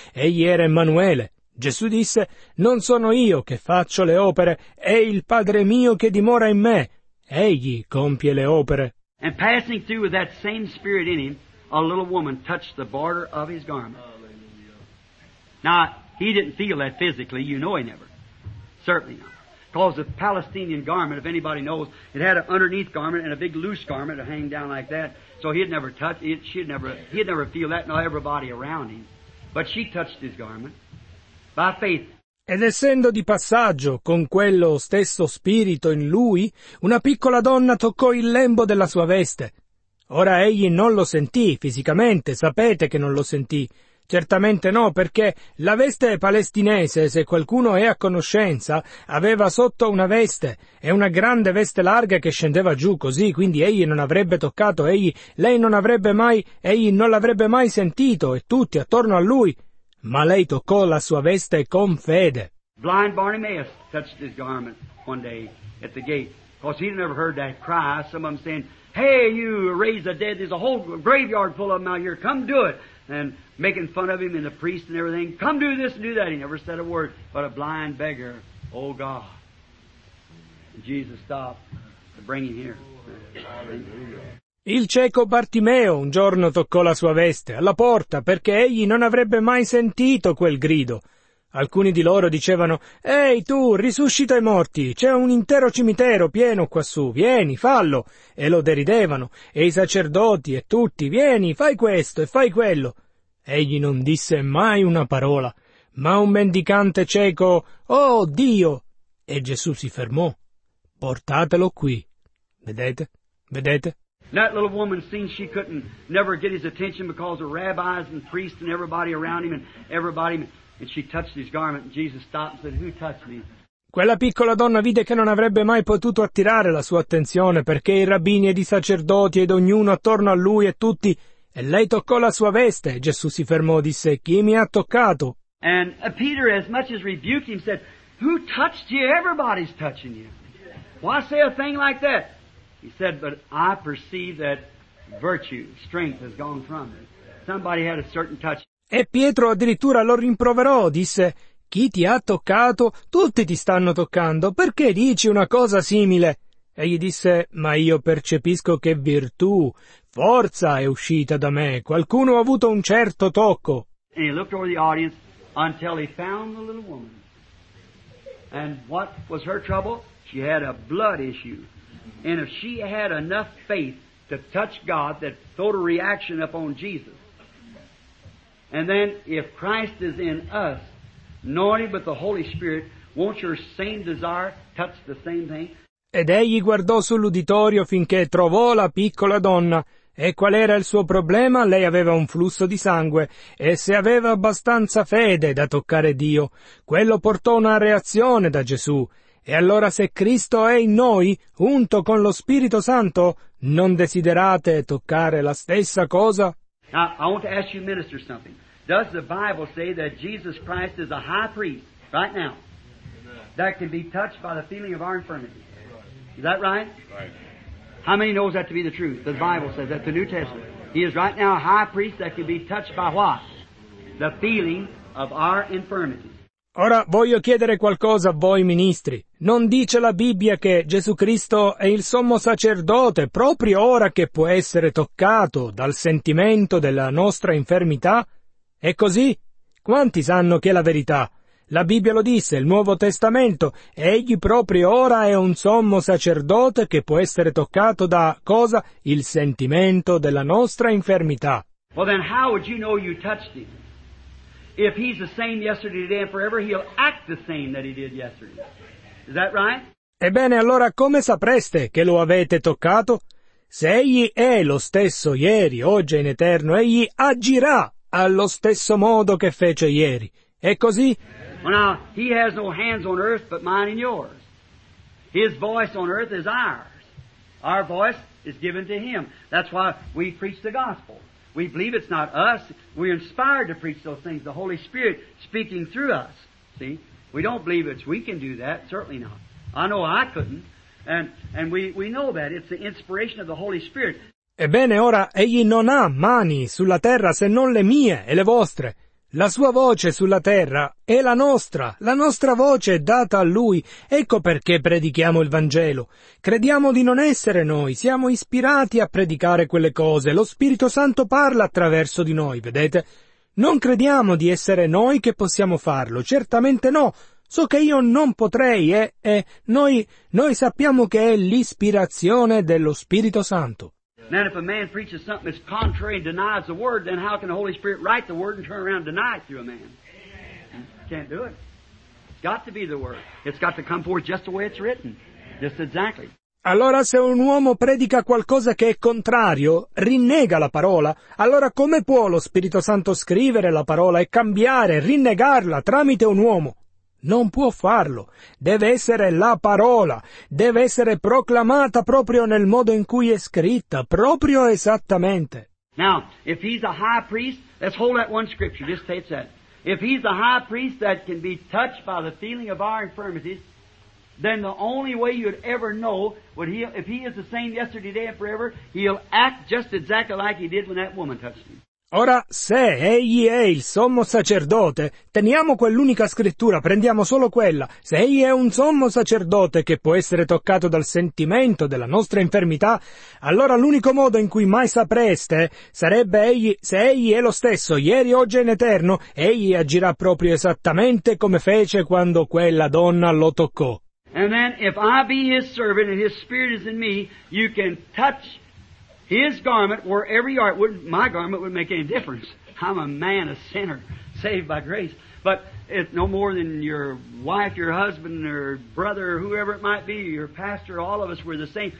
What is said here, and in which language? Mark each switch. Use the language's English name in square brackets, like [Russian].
[Italian] Egli era Emanuele. Gesù disse, non sono io che faccio le opere, è il Padre mio che dimora in me. Egli compie le opere. [English] And passing through with that same spirit in him, a little woman touched the border of his garment. Now, he didn't feel that physically, you know he never. Certainly not. Because the Palestinian garment, if anybody knows, it had an underneath garment and a big loose garment to hang down like that. So he'd never touch it. He'd never feel that, nor everybody around him. But she touched his garment by faith. [Italian] Ed essendo di passaggio con quello stesso spirito in lui, una piccola donna toccò il lembo della sua veste. Ora egli non lo sentì fisicamente, sapete che non lo sentì. Certamente no, perché la veste palestinese, se qualcuno è a conoscenza, aveva sotto una veste, e una grande veste larga che scendeva giù così, quindi egli non avrebbe toccato, egli non l'avrebbe mai sentito, e tutti attorno a lui, ma lei toccò la sua veste con fede. [English] Blind Bartimaeus touched his garment one day at the gate, because he never heard that cry, some of them saying, hey, you raise the dead, there's a whole graveyard full of them out here, come do it. And making fun of him and the priest and everything. Come do this and do that. He never said a word. But a blind beggar, oh God. And Jesus stopped to bring him here. [Italian] Il cieco Bartimeo un giorno toccò la sua veste alla porta perché egli non avrebbe mai sentito quel grido. Alcuni di loro dicevano, «Ehi tu, risuscita i morti, c'è un intero cimitero pieno quassù, vieni, fallo!» E lo deridevano, e i sacerdoti e tutti, «Vieni, fai questo e fai quello!» Egli non disse mai una parola, ma un mendicante cieco, «Oh Dio!» E Gesù si fermò, «Portatelo qui!» Vedete? Vedete? [English] That little woman seen she couldn't never get his attention because of rabbis and priests and everybody around him and everybody... And she touched his garment, and Jesus stopped and said, who touched me? [Italian] Quella piccola donna vide che non avrebbe mai potuto attirare la sua attenzione, perché i rabbini ed i sacerdoti ed ognuno attorno a lui e tutti, e lei toccò la sua veste, e Gesù si fermò e disse: chi mi ha toccato? [English] And Peter, as much as rebuked him, said, who touched you? Everybody's touching you. Why say a thing like that? He said, but I perceive that virtue, strength has gone from me. Somebody had a certain touch. [Italian] E Pietro addirittura lo rimproverò, disse: chi ti ha toccato? Tutti ti stanno toccando. Perché dici una cosa simile? Egli disse: ma io percepisco che virtù, forza è uscita da me. Qualcuno ha avuto un certo tocco. [English] And he looked over the audience until he found the little woman. And what was her trouble? She had a blood issue. And if she had enough faith to touch God, that throwed a reaction upon Jesus. And then if Christ is in us, anointed with the Holy Spirit, won't your same desire touch the same thing? [Italian] Ed egli guardò sull'uditorio finché trovò la piccola donna. E qual era il suo problema? Lei aveva un flusso di sangue. E se aveva abbastanza fede da toccare Dio, quello portò una reazione da Gesù. E allora se Cristo è in noi, unto con lo Spirito Santo, non desiderate toccare la stessa cosa? [English] Now, I want to ask you, minister, something. Does the Bible say that Jesus Christ is a high priest right now that can be touched by the feeling of our infirmity? Is that right? Right. How many knows that to be the truth? The Bible says that, the New Testament. He is right now a high priest that can be touched by what? The feeling of our infirmity. [Italian] Ora voglio chiedere qualcosa a voi ministri. Non dice la Bibbia che Gesù Cristo è il sommo sacerdote proprio ora che può essere toccato dal sentimento della nostra infermità? È così? Quanti sanno che è la verità? La Bibbia lo disse, il Nuovo Testamento, egli proprio ora è un sommo sacerdote che può essere toccato da, cosa? Il sentimento della nostra infermità. [English] Well then, how would you know you touched him? If he's the same yesterday, today and forever, he'll act the same that he did yesterday. Is that right? [Italian] Ebbene, allora come sapreste che lo avete toccato? Se egli è lo stesso ieri, oggi e in eterno, egli agirà allo stesso modo che fece ieri. È così? [English] Well, now, he has no hands on earth but mine and yours. His voice on earth is ours. Our voice is given to him. That's why we preach the gospel. We believe it's not us. We're inspired to preach those things. The Holy Spirit speaking through us. See? We don't believe it's we can do that. Certainly not. I know I couldn't. And we know that. It's the inspiration of the Holy Spirit. [Italian] Ebbene, ora, egli non ha mani sulla terra se non le mie e le vostre. La sua voce sulla terra è la nostra. La nostra voce è data a lui. Ecco perché predichiamo il Vangelo. Crediamo di non essere noi. Siamo ispirati a predicare quelle cose. Lo Spirito Santo parla attraverso di noi, vedete? Non crediamo di essere noi che possiamo farlo. Certamente no. So che io non potrei, noi sappiamo che è l'ispirazione dello Spirito Santo. [English] Then if a man preaches something that's contrary and denies the word, then how can the Holy Spirit write the word and turn around and deny it through a man? Amen. Can't do it. It's got to be the word. It's got to come forth just the way it's written. Just exactly. [Italian] Allora se un uomo predica qualcosa che è contrario, rinnega la parola, allora come può lo Spirito Santo scrivere la parola e cambiare, rinnegarla tramite un uomo? Non può farlo. Deve essere la parola. Deve essere proclamata proprio nel modo in cui è scritta, proprio esattamente. [English] Now, if he's a high priest, let's hold that one scripture, just take that. If he's a high priest that can be touched by the feeling of our infirmities, then the only way you'd ever know, if he is the same yesterday, today and forever, he'll act just exactly like he did when that woman touched him. [Italian] Ora, se egli è il sommo sacerdote, teniamo quell'unica scrittura, prendiamo solo quella. Se egli è un sommo sacerdote che può essere toccato dal sentimento della nostra infermità, allora l'unico modo in cui mai sapreste sarebbe egli, se egli è lo stesso, ieri, oggi e in eterno, egli agirà proprio esattamente come fece quando quella donna lo toccò. [English] And then, if I be his servant and his spirit is in me, you can touch his garment, wherever you are, my garment wouldn't make any difference. I'm a man, a sinner, saved by grace. But it's no more than your wife, your husband, or brother, or whoever it might be, your pastor, all of us, we're the same.